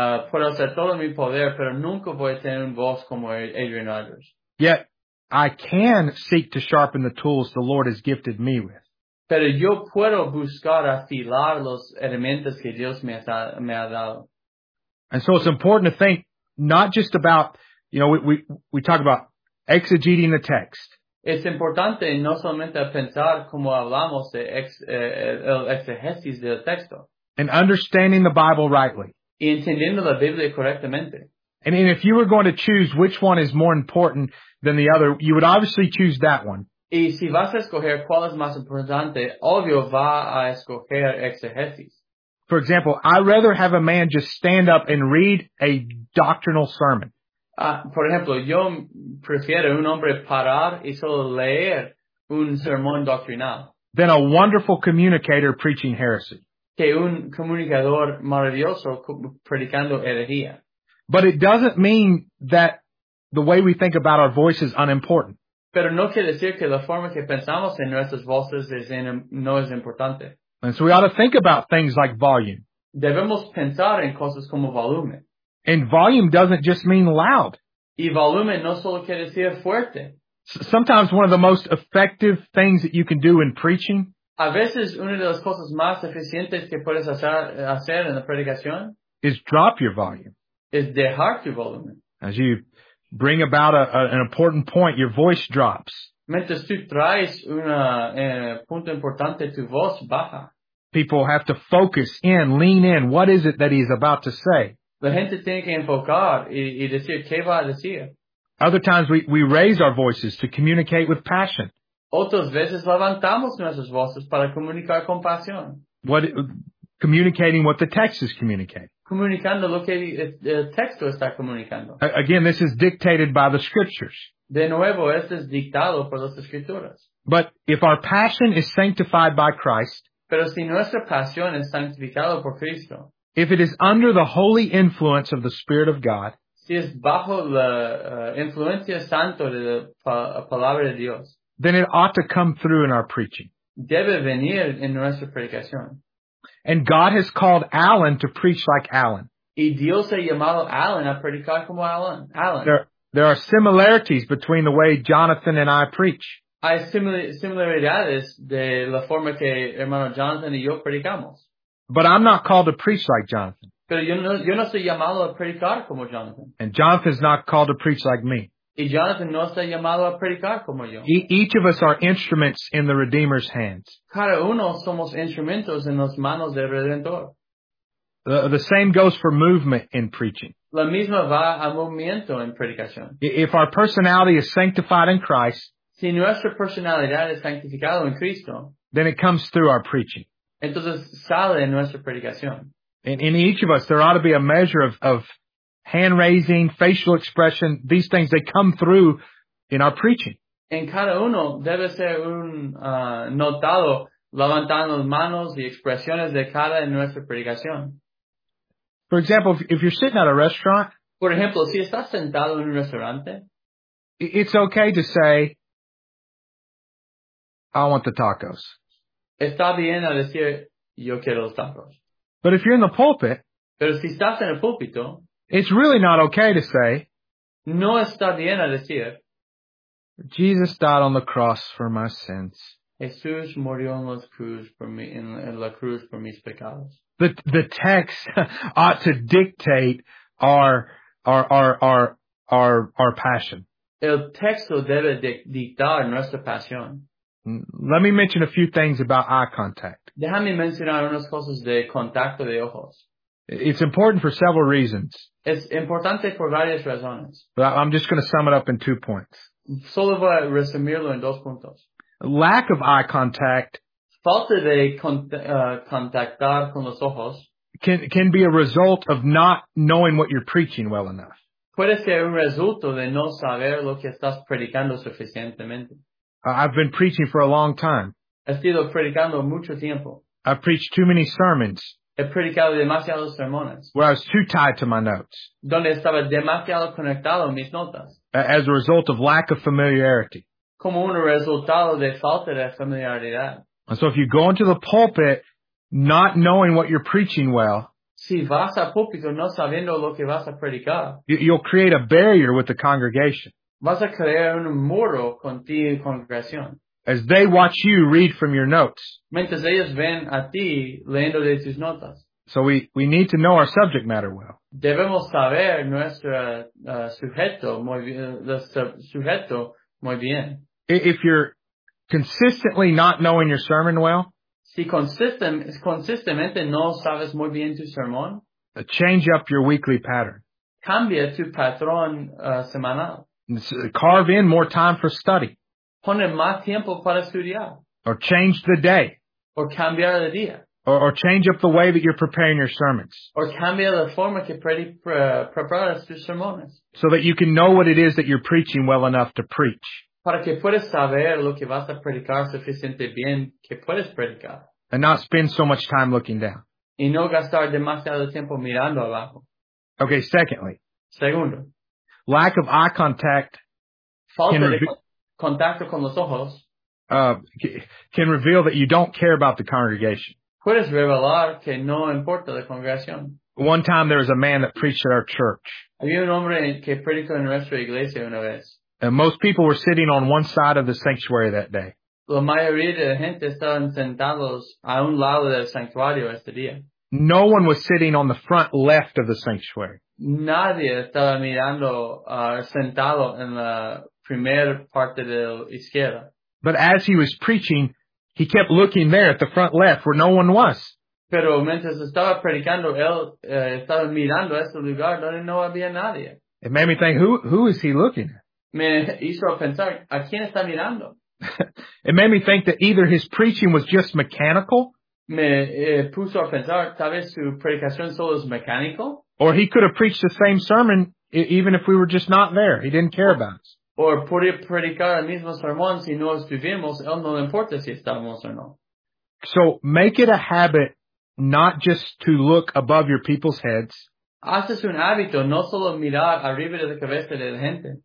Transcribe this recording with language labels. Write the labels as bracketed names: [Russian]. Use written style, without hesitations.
[Spanish] Puedo hacer todo en mi poder, pero nunca voy a tener un voz como Adrian Rogers. [English] Yet, I can seek to sharpen the tools the Lord has gifted me with. [Spanish] Pero yo puedo buscar afilar los elementos que Dios me ha dado. [English] And so it's important to think not just about, you know, we talk about exegeting the text. [Spanish] Es importante no solamente pensar como hablamos de el exegesis del texto. [English] And understanding the Bible rightly. [Spanish] Y entendiendo la Biblia correctamente. [English] And if you were going to choose which one is more important than the other, you would obviously choose that one. [Spanish] Y si vas a escoger cuál es más importante, obvio va a escoger exegesis. [English] For example, I'd rather have a man just stand up and read a doctrinal sermon. [Spanish] Por ejemplo, yo prefiero un hombre parar y solo leer un sermón doctrinal. [English] Than a wonderful communicator preaching heresy. [Spanish] Que un comunicador maravilloso predicando herejía. [English] But it doesn't mean that the way we think about our voice is unimportant. [Spanish] Pero no quiere decir que la forma que pensamos en nuestras voces no es importante. [English] And so we ought to think about things like volume. [Spanish] Debemos pensar en cosas como volumen. [English] And volume doesn't just mean loud. [Spanish] Y volumen no solo quiere decir fuerte. [English] Sometimes one of the most effective things that you can do in preaching. [Spanish] A veces una de las cosas más eficientes que puedes hacer en la predicación. [English] Is drop your volume. [Spanish] Es dejar tu volumen. [English] As you bring about an important point, your voice drops. [Spanish] Mientras tú traes un punto importante, tu voz baja. [English] People have to focus in, lean in. What is it that he's about to say? [Spanish] La gente tiene que enfocar y decir, ¿qué va a decir? [English] Other times we raise our voices to communicate with passion. [Spanish] Otras veces levantamos nuestras voces para comunicar con pasión. [English] Communicating what the text is communicating. [Spanish] Comunicando lo que el texto está comunicando. [English] Again, this is dictated by the scriptures. [Spanish] De nuevo, esto es dictado por las escrituras. [English] But if our passion is sanctified by Christ, [Spanish] pero si nuestra pasión es sanctificada por Cristo, [English] if it is under the holy influence of the Spirit of God, [Spanish] si es bajo la influencia santo de la palabra de Dios, [English] then it ought to come through in our preaching. [Spanish] Debe venir en nuestra predicación. [English] And God has called Alan to preach like Alan. [Spanish] Y Dios ha llamado Alan a predicar como Alan. [English] There are similarities between the way Jonathan and I preach. [Spanish] Hay similaridades de la forma que hermano Jonathan y yo predicamos. [English] But I'm not called to preach like Jonathan. [Spanish] Pero yo no soy llamado a predicar como Jonathan. [English] And Jonathan's not called to preach like me. [Spanish] Y Jonathan no está llamado a predicar como yo. [English] Each of us are instruments in the Redeemer's hands. [Spanish] Cada uno somos instrumentos en las manos del Redentor. [English] The same goes for movement in preaching. [Spanish] La misma va a movimiento en predicación. [English] If our personality is sanctified in Christ, [Spanish] si nuestra personalidad es santificada en Cristo, [English] then it comes through our preaching. [Spanish] Entonces sale en nuestra predicación. [English] In each of us, there ought to be a measure of hand raising, facial expression. These things, they come through in our preaching. [Spanish] En cada uno debe ser un notado levantando las manos y expresiones de cara en nuestra predicación. [English] For example, if you're sitting at a restaurant, [Spanish] por ejemplo, si estás sentado en un restaurante, [English] it's okay to say, I want the tacos. [Spanish] Está bien a decir, yo quiero los tacos. [English] But if you're in the pulpit, [Spanish] pero si estás en el púlpito, [English] it's really not okay to say, [Spanish] no está bien a decir, [English] Jesus died on the cross for my sins. [Spanish] Jesús murió en la cruz por mis pecados. [English] The text ought to dictate our passion. [Spanish] El texto debe dictar nuestra pasión. [English] Let me mention a few things about eye contact. [Spanish] Déjame mencionar unas cosas de contacto de ojos. [English] It's important for several reasons. [Spanish] Es importante por varias razones. [English] But I'm just going to sum it up in 2 points. [Spanish] Solo voy a resumirlo en 2 puntos. [English] Lack of eye contact. [Spanish] Falta de contactar con los ojos. [English] Can be a result of not knowing what you're preaching well enough. [Spanish] Puede ser un resultado de no saber lo que estás predicando suficientemente. [English] I've been preaching for a long time. [Spanish] He estado predicando mucho tiempo. [English] I've preached too many sermons. [Spanish] He predicado demasiados sermones. [English] Where I was too tied to my notes. [Spanish] Donde estaba demasiado conectado a mis notas. [English] As a result of lack of familiarity. [Spanish] Como un resultado de falta de familiaridad. [English] And so if you go into the pulpit not knowing what you're preaching well, [Spanish] si vas al púlpito no sabiendo lo que vas a predicar, [English] you'll create a barrier with the congregation. [Spanish] Vas a crear un muro con ti en congregación. [English] As they watch you read from your notes. [Spanish] Mientras ellos ven a ti leyendo de tus notas. [English] So we need to know our subject matter well. [Spanish] Debemos saber nuestro sujeto muy bien. [English] If you're consistently not knowing your sermon well, [Spanish] si consistentemente no sabes muy bien tu sermón, [English] change up your weekly pattern. [Spanish] Cambia tu patrón semanal. [English] Carve in more time for study. [Spanish] Pone más tiempo para estudiar. [English] Or change the day. [Spanish] Or cambiar el día. [English] Or change up the way that you're preparing your sermons. [Spanish] Or cambia la forma que preparas tus sermones. [English] So that you can know what it is that you're preaching well enough to preach. [Spanish] Para que puedas saber lo que vas a predicar suficiente bien que puedes predicar. [English] And not spend so much time looking down. [Spanish] Y no gastar demasiado tiempo mirando abajo. [English] Okay, secondly. [Spanish] Segundo. [English] Lack of eye contact. [Spanish] Falta de contacto con los ojos. [English] Can reveal that you don't care about the congregation. [Spanish] Puedes revelar que no importa la congregación. [English] One time there was a man that preached at our church. [Spanish] Había un hombre que predicó en nuestra iglesia una vez. [English] And most people were sitting on one side of the sanctuary that day. [Spanish] La mayoría de la gente estaban sentados a un lado del santuario este día. [English] No one was sitting on the front left of the sanctuary. [Spanish] Nadie estaba mirando sentado en la primera parte de la izquierda. [English] But as he was preaching, he kept looking there at the front left where no one was. [Spanish] Pero mientras estaba predicando, él estaba mirando a ese lugar donde no había nadie. [English] It made me think, who is he looking at? [Spanish] Me hizo pensar, ¿a quién está mirando? [English] It made me think that either his preaching was just mechanical. [Spanish] Me puso a pensar, tal vez su predicación solo es mecánico. [English] Or he could have preached the same sermon even if we were just not there. He didn't care about us. [Spanish] Or podría predicar el mismo sermón si no estuvimos. Él no le importa si estamos o no. [English] So make it a habit not just to look above your people's heads. [Spanish] Haces un hábito no solo mirar arriba de la cabeza de la gente.